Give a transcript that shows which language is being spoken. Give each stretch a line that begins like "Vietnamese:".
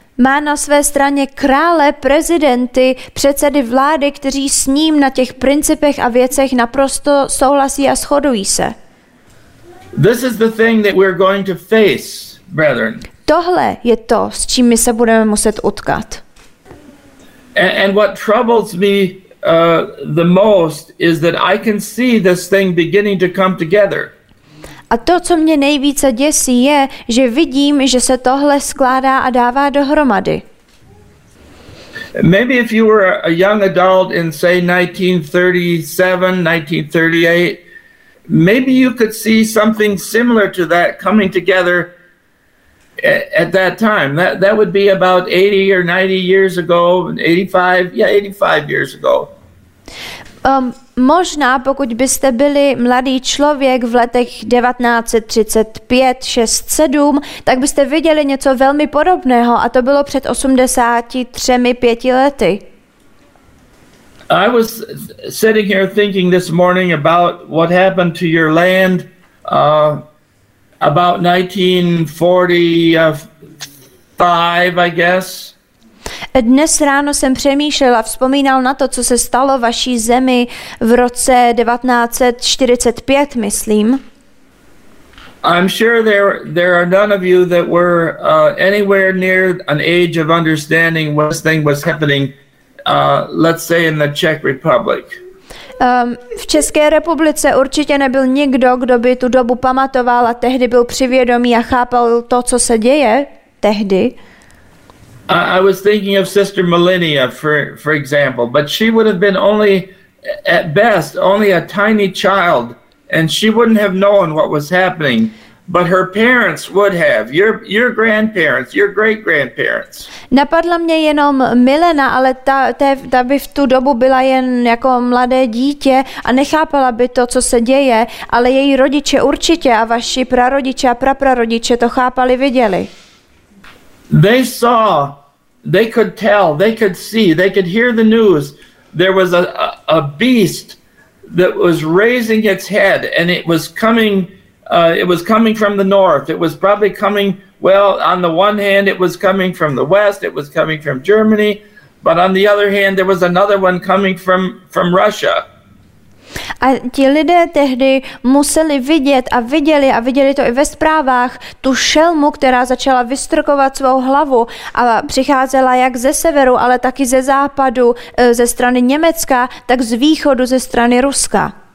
Czech: Má na své straně krále, prezidenty, předsedy vlády, kteří s ním na těch principech a věcech naprosto souhlasí a shodují se.
English: This is the thing that we're going to face, brethren.
Czech: Tohle je to, s čím my se budeme muset utkat.
English: And what troubles me the most is that I can see this thing beginning to come together.
Czech: A to, co mě nejvíce děsí, je, že vidím, že se tohle skládá a dává dohromady.
English: Maybe if you were a young adult in say 1937, 1938, maybe you could see something similar to that coming together at that time. That would be about 80 or 90 years ago, 85 years ago.
Czech: Možná, pokud byste byli mladý člověk v letech 1935, 6, 7, tak byste viděli něco velmi podobného a to bylo před 83, 5 lety.
English: I was sitting here thinking this morning about what happened to your land about 1945, I guess.
Czech: Dnes ráno jsem přemýšlel a vzpomínal na to, co se stalo vaší zemi v roce 1945, myslím.
English: I'm sure there are none of you that were anywhere near an age of understanding what this thing was happening, let's say in the Czech Republic.
Czech: V České republice určitě nebyl nikdo, kdo by tu dobu pamatoval a tehdy byl při vědomí a chápal to, co se děje tehdy.
English: I was thinking of Sister Melania, for example, but she would have been only, at best, only a tiny child, and she wouldn't have known what was happening But her parents would have, your grandparents, your great-grandparents.
Czech: Napadla mě jenom Milena, ale ta by v tu dobu byla jen jako mladé dítě a nechápala by to, co se děje, ale její rodiče určitě a vaši prarodiče a praprarodiče to chápali, viděli.
English: They saw, they could tell, they could see, they could hear the news. There was a beast that was raising its head and it was coming from the north. It was probably coming, well, on the one hand, it was coming from the west, it was coming from Germany, but on the other hand, there was another one coming from Russia.
Czech: A ti lidé tehdy museli vidět a viděli to i ve zprávách, tu šelmu, která začala vystrkovat svou hlavu a přicházela jak ze severu, ale taky ze západu, ze strany Německa, tak z východu, ze strany Ruska.